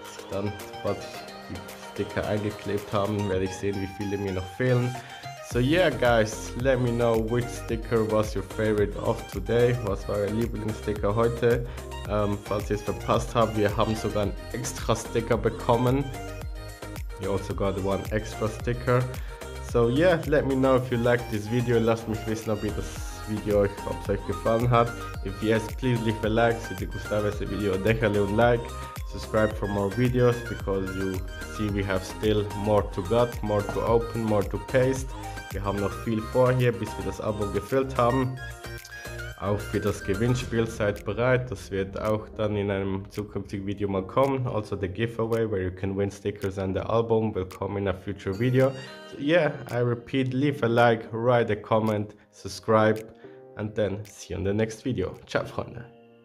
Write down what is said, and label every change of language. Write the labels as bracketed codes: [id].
[de] Dann, sobald die Sticker eingeklebt haben, werde ich sehen, wie viele mir noch fehlen. [en] So yeah guys, let me know which sticker was your favorite of today. [de] Was war euer Lieblingssticker heute? Falls ihr es verpasst habt, wir haben sogar einen extra Sticker bekommen. [en] You also got one extra sticker. So yeah, let me know if you liked this video, [de] lasst mich wissen, ob ihr das Video euch, ob es euch gefallen hat. [en] If yes, please leave a like, [es] si te gustaba ese video, déjale un like, [en] subscribe for more videos, because you see we have still more to got, more to open, more to paste. [de] Wir haben noch viel vor hier, bis wir das Abo gefüllt haben. Auch für das Gewinnspiel seid bereit, das wird auch dann in einem zukünftigen Video mal kommen. [en] Also the giveaway where you can win stickers and the album will come in a future video. So yeah, I repeat, leave a like, write a comment, subscribe and then see you on the next video. [de] Ciao, Freunde!